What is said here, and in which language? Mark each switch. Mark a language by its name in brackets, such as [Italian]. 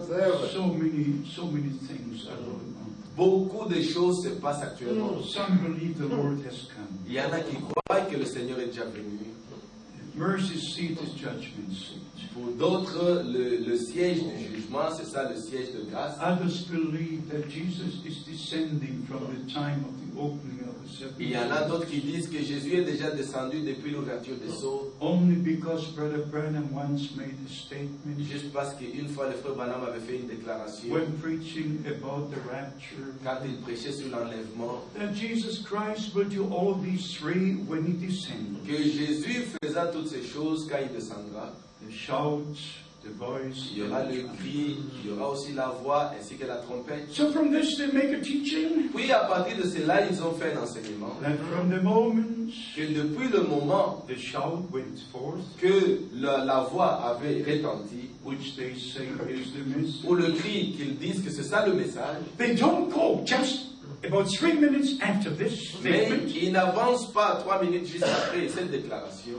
[English] So many things are going on. [French] Beaucoup de choses se passent actuellement. [English] Some believe the Lord has come. [French] Il y en a qui croient que le Seigneur est déjà venu. [English] Mercy seat is judgment seat. [French] Pour d'autres, le siège du jugement, c'est ça, le siège de grâce. [English] Others believe that Jesus is descending from the time of the opening of the seven. [French] Il y en a d'autres qui disent que Jésus est déjà descendu depuis l'ouverture des sceaux. [English] Only because Brother Branham once made a statement. [French] Juste parce qu'une fois le frère Branham avait fait une déclaration. [English] When preaching about the rapture. [French] Quand il prêchait sur l'enlèvement. [English] That Jesus Christ would do all these three when he descends. [French] Que Jésus faisait toutes ces choses quand il descendra. [English] The shout, the voice. [French] Il y aura le cri, il y aura aussi la voix ainsi que la trompette. [English] So from this they make a teaching. [French] Puis à partir de cela, ils ont fait un enseignement. [English] That from the moment. [French] Que depuis le moment. [English] The shout went forth. [French] Que la voix avait retenti. [English] Which they say is the message. [French] Ou le cri qu'ils disent que c'est ça le message. [English] They don't go just about 3 minutes after this statement. [French] Mais ils n'avancent pas 3 minutes juste après cette déclaration.